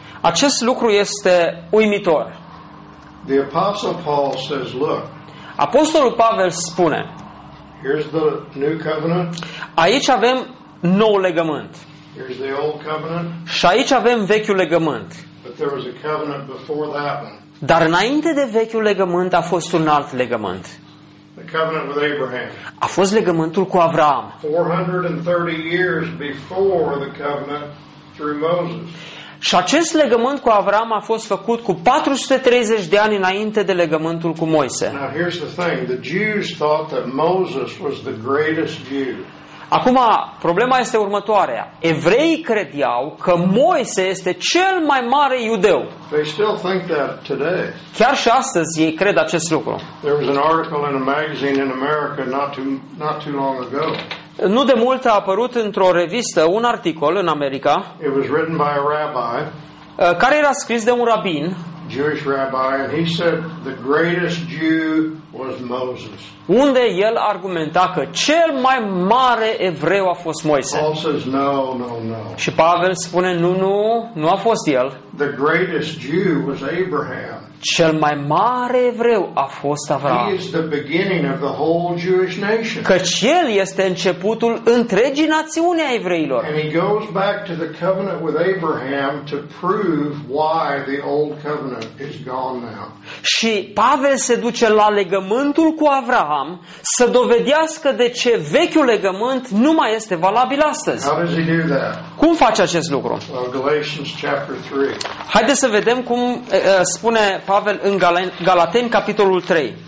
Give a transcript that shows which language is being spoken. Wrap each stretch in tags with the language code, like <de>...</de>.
<ro>Acest lucru este uimitor.</ro> <en>The Apostle Paul says, look.</en> <ro>Apostolul Pavel spune.</ro> <en>Here's the new covenant.</en> <ro>Aici avem nou legământ.</ro> <en>Here's the old covenant.</en> <ro>Și aici avem vechiul legământ.</ro> <en>But there was a covenant before that one.</en> <ro>Dar înainte de vechiul legământ a fost un alt legământ.</ro> <en>The covenant with Abraham.</en> <ro>A fost legământul cu Avraam.</ro> <en>430 years before the covenant through Moses.</en> <ro>Și acest legământ cu Avraam a fost făcut cu 430 de ani înainte de legământul cu Moise.</ro> <en>Now here's the thing. The Jews thought that Moses was the greatest Jew.</en> <ro>Acum, problema este următoarea. Evreii credeau că Moise este cel mai mare iudeu.</ro> <en>They still think that today.</en> <ro>Chiar și astăzi ei cred acest lucru.</ro> <en>There was an article in a magazine in America not too long ago.</en> <ro>Nu de mult a apărut într-o revistă un articol în America.</ro> <en>It was written by a rabbi.</en> <ro>Care era scris de un rabin.</ro> <en>Jewish rabbi, and he said the greatest Jew was Moses.</en> <ro>Unde el argumenta că cel mai mare evreu a fost Moise.</ro> <en>Paul says no.</en> <ro>Și Pavel spune nu a fost el.</ro> <en>The greatest Jew was Abraham.</en> <ro>Cel mai mare evreu a fost Avraam.</ro> <en>He is the beginning of the whole Jewish nation.</en> <ro>Căci el este începutul întregii națiuni a evreilor.</ro> <en>And he goes back to the covenant with Abraham to prove why the old covenant is gone now.</en> <ro>Și Pavel se duce la legământul cu Avraam să dovedească de ce vechiul legământ nu mai este valabil astăzi.</ro> <en>How does he do that?</en> <ro>Cum face acest lucru?</ro> <en>Well, Galatians chapter 3.</en> <ro>Haideți să vedem cum spune Pavel în Galateni capitolul 3.</ro>